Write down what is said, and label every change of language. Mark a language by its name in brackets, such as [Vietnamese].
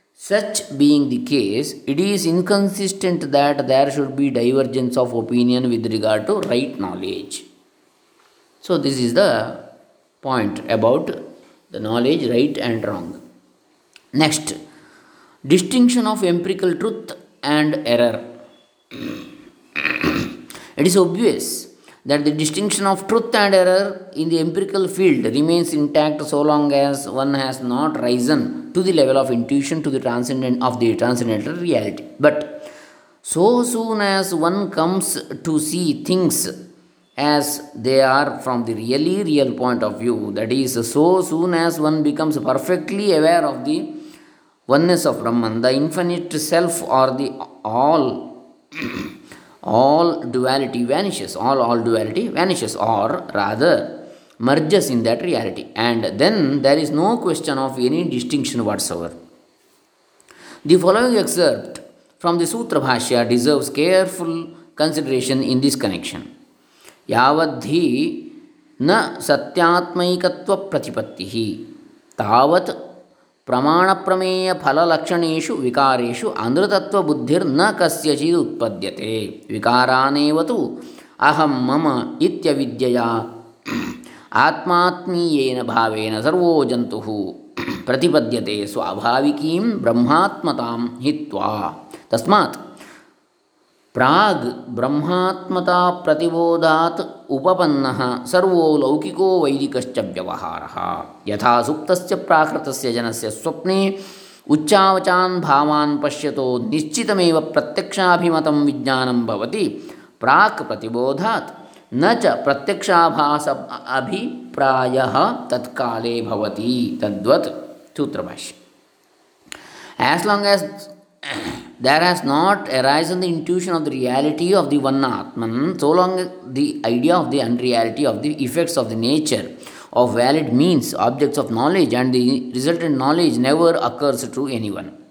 [English] Such being the case, it is inconsistent that there should be divergence of opinion with regard to right knowledge. So this is the point about the knowledge right and wrong. Next, distinction of empirical truth and error. It is obvious that the distinction of truth and error in the empirical field remains intact so long as one has not risen to the level of intuition to the transcendental reality. But so soon as one comes to see things as they are from the really real point of view, that is, so soon as one becomes perfectly aware of the oneness of Brahman, the infinite self, or the all, all duality vanishes, or rather merges in that reality, and then there is no question of any distinction whatsoever. The following excerpt from the Sutra Bhashya deserves careful consideration in this connection. [Sanskrit] Yavadhi na satyatmaikatva pratipattihi tavat ಪ್ರಮಾಣ ಪ್ರಮೇಯ ಫಲಲಕ್ಷಣು ವಿಕಾರೇಶು ಅನೃತತ್ವ ಬುದ್ಧಿರ್ನ ಕಸ್ಯಚಿದ್ ಉತ್ಪದ್ಯತೆ ವಿಕಾರಾನೇವತು ಅಹಂ ಮಮ ಇತ್ಯವಿದ್ಯೆಯ ಆತ್ಮಾತ್ಮೀಯೇನ ಭಾವೇನ servo ಜಂತುಃ ಪ್ರತಿಪದ್ಯತೆ ಸ್ವಾಭಾವಿಕೀಂ ಬ್ರಹ್ಮಾತ್ಮತಾಂ ಹಿತ್ವಾ. ತಸ್ಮಾತ್ ಪ್ರಾಗ್ ಬ್ರಹ್ಮಾತ್ಮತಾ ಪ್ರತಿಬೋಧಾತ್ ಉಪಪನ್ನಃ servo ಲೌಕಿಕೋ ವೈದಿಕಶ್ಚ ವ್ಯವಹಾರಃ ಯಥಾ ಸುಪ್ತಸ್ಯ ಪ್ರಾಕೃತಸ್ಯ ಜನಸ್ಯ ಸ್ವಪ್ನೇ ಉಚ್ಚಾವಚಾನ್ ಭಾವಾನ್ ಪಶ್ಯತೋ ನಿಶ್ಚಿತಮೇವ ಪ್ರತ್ಯಕ್ಷಾಭಿಮತಂ ವಿಜ್ಞಾನಂ ಭವತಿ ಪ್ರಾಕ್ ಪ್ರತಿಬೋಧಾತ್ ನ ಚ ಪ್ರತ್ಯಕ್ಷಾಭಾಸ ಅಭಿಪ್ರಾಯಃ ತತ್ಕಾಲೇ ಭವತಿ. ತದ್ವತ್ ಸೂತ್ರಭಾಷ್ಯ. [English] As long as there has not arisen the intuition of the reality of the one atman, so long the idea of the unreality of the effects of the nature of valid means, objects of knowledge, and the resultant knowledge never occurs to anyone.